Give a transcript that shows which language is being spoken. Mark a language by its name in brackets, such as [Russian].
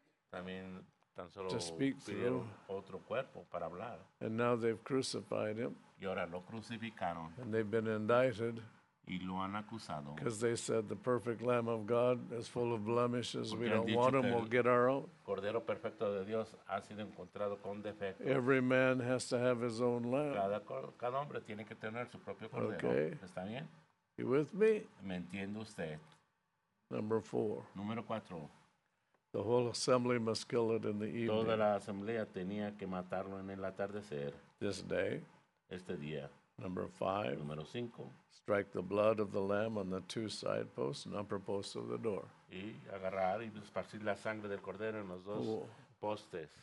[Spanish] También tan solo [English] to speak [Spanish] pidieron otro cuerpo para hablar. [English] And now they've crucified him. [Spanish] Y ahora lo crucificaron. [English] And they've been indicted. [Spanish] Y lo han acusado. [English] Because they said the perfect Lamb of God is full of blemishes. We don't want him, we'll get our own. [Spanish] Cordero perfecto de Dios ha sido encontrado con defecto. [English] Every man has to have his own lamb. [Spanish] Cada hombre tiene que tener su propio cordero. [English] Okay. [Spanish] ¿Está bien? [English] You with me? [Spanish] ¿Me entiende usted? [English] Number four. [Spanish] Número cuatro. [English] The whole assembly must kill it in the evening. [Spanish] Toda la asamblea tenía que matarlo en el atardecer. [English] This day. [Spanish] Este día. [English] Number five. [Spanish] Número cinco. [English] Strike the blood of the lamb on the two side posts and upper posts of the door. [Spanish] Y agarrar y esparcir la sangre del cordero en los dos postes.